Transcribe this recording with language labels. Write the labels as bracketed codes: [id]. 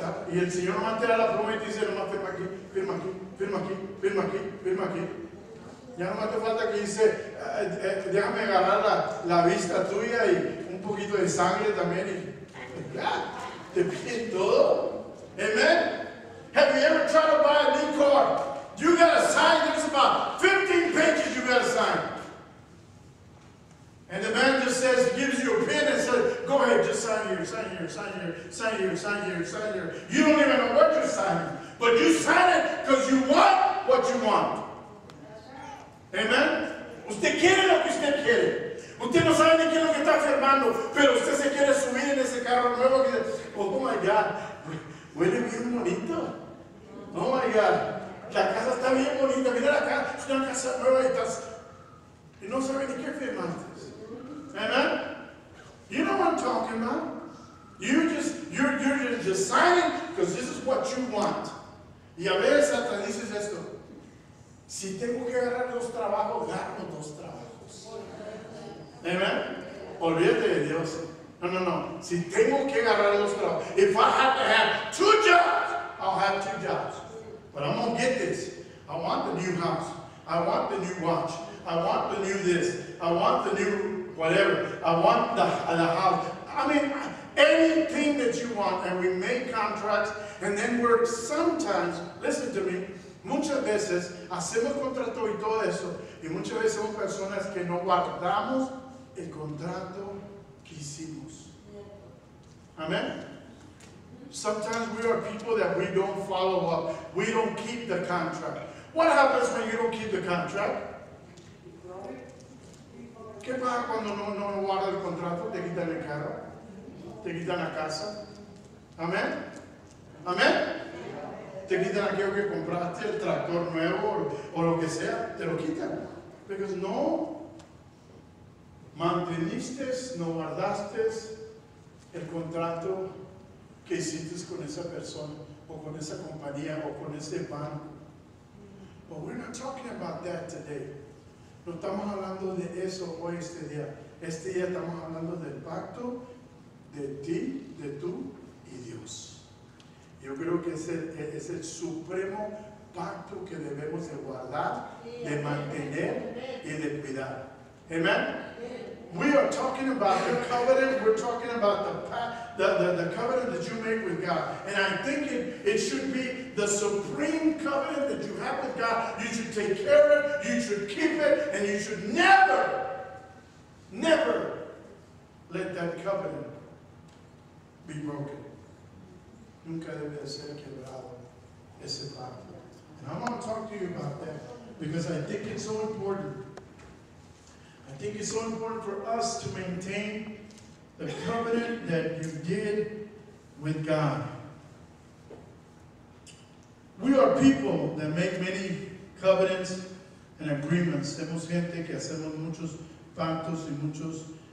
[es] Y el Señor no mantiene la promesa y dice, no más firma aquí, firma aquí, firma aquí, firma aquí, firma aquí. Ya no más te falta que dice, déjame agarrar la vista tuya y un poquito de sangre también. Y ya, te piden todo. Amen. [en] Have you ever tried to buy a new car? You got a sign, there's about 15 pages you got a sign. And the man just says, gives you a pen and says, go ahead, just sign here, sign here, sign here, sign here, sign here, sign here. You don't even know what you're signing, but you sign it because you want what you want. [es] Amen? Usted quiere lo que usted quiere. Usted no sabe ni qué es lo que está firmando, pero usted se quiere subir en ese carro nuevo que dice, [en] oh my God, [es] huele bien bonito. [en] Oh my God, [es] la casa está bien bonita. Mira la casa, es una casa nueva y no sabe ni qué firmaste. [en] Amen. You know what I'm talking about. You're just signing because this is what you want. [es] Y a veces hasta dices esto. Si tengo que agarrar dos trabajos, agarro dos trabajos. Amen. Olvídate de Dios. No. Si tengo que agarrar dos trabajos. [en] If I have to have two jobs, I'll have two jobs. But I'm going to get this. I want the new house. I want the new watch. I want the new this. I want the new whatever. I want the house. I mean, anything that you want, and we make contracts, and then we're sometimes, listen to me, [es] muchas veces hacemos contrato y todo eso, y muchas veces somos personas que no guardamos el contrato que hicimos. [en] Amen? Sometimes we are people that we don't follow up. We don't keep the contract. What happens when you don't keep the contract? [es] ¿Qué pasa cuando no guardas el contrato? Te quitan el carro, te quitan la casa. ¿Amén? ¿Amén? Te quitan aquello que compraste, el tractor nuevo o lo que sea, te lo quitan. Porque no manteniste, no guardaste el contrato que hiciste con esa persona o con esa compañía o con ese banco. [en] But we're not talking about that today. [es] No estamos hablando de eso hoy, este día. Este día estamos hablando del pacto de ti, de tú y Dios. Yo creo que es el supremo pacto que debemos de guardar, de mantener y de cuidar. [en] Amen. We are talking about the covenant. We're talking about the covenant that you make with God. And I think it should be the supreme covenant that you have with God. You should take care of it. You should keep it. And you should never, never let that covenant be broken. [es] Nunca debe ser quebrado ese pacto. [en] And I want to talk to you about that because I think it's so important. I think it's so important for us to maintain the covenant that you did with God. We are people that make many covenants and agreements. [es] Hemos gente que hacemos muchos pactos y muchos